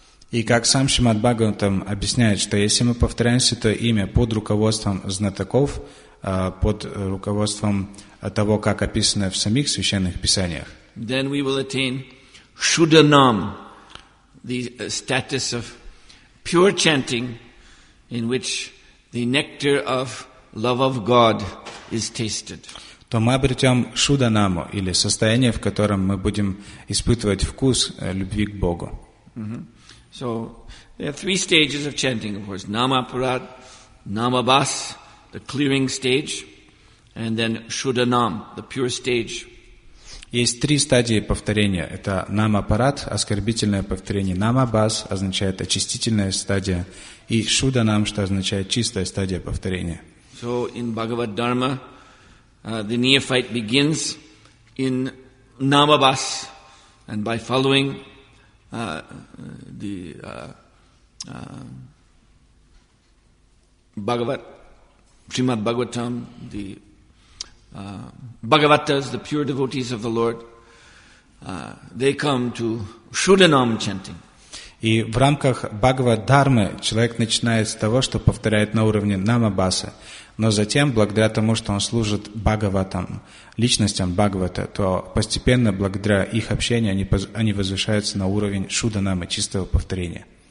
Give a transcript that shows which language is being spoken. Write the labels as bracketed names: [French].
[Russian] И как сам Шримад Бхагаватам объясняет, что если мы повторяем святое имя под руководством знатоков, под руководством того, как описано в самих священных писаниях, [English] then we will attain Shuddhanam, the status of pure chanting in which the nectar of love of God is tasted. [Russian] То мы обретем Шуддханаму, или состояние, в котором мы будем испытывать вкус любви к Богу. [English] So, there are three stages of chanting, of course. Namaparad, Namabhas, the clearing stage, and then Shuddhanam, the pure stage. [Russian] Есть три стадии повторения. Это Намапарад, оскорбительное повторение. Намабхас означает очистительная стадия. И Шуддханам, что означает чистая стадия повторения. [English] So, in Bhagavad Dharma, the neophyte begins in Namabhas, and by following Srimad Bhagavatam, the Bhagavatas, the pure devotees of the Lord, they come to Shuddhanam chanting. [Russian] И в рамках Бхагавад Дхармы человек начинает с того, что повторяет на уровне Намабаса. Но затем, благодаря тому, что он служит Бхагаватам, личностям Бхагавата, то постепенно, благодаря их общению, они возвышаются на уровень Шуддханамы, чистого повторения.